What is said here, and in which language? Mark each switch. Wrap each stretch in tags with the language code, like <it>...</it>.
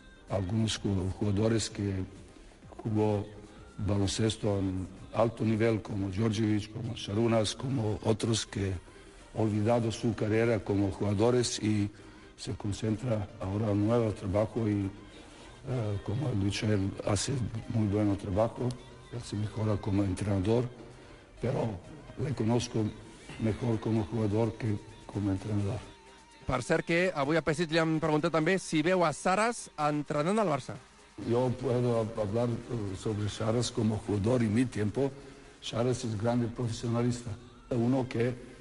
<es>algunos jugadores que jugó baloncesto en alto nivel como Georgievich, como Sarunas, como otros que olvidado su carrera como jugadores y se concentra ahora en nuevo trabajo y como he dicho él hace muy buen trabajo. Él se mejora como entrenador, pero le conozco mejor como jugador que como entrenador.</es> <ca>Per cert que avui a Pesic li han preguntat també si veu a Saras entrenant al Barça.</ca> <es>Yo puedo hablar sobre Saras como jugador y mi tiempo. Saras es grande profesionalista, uno que</es>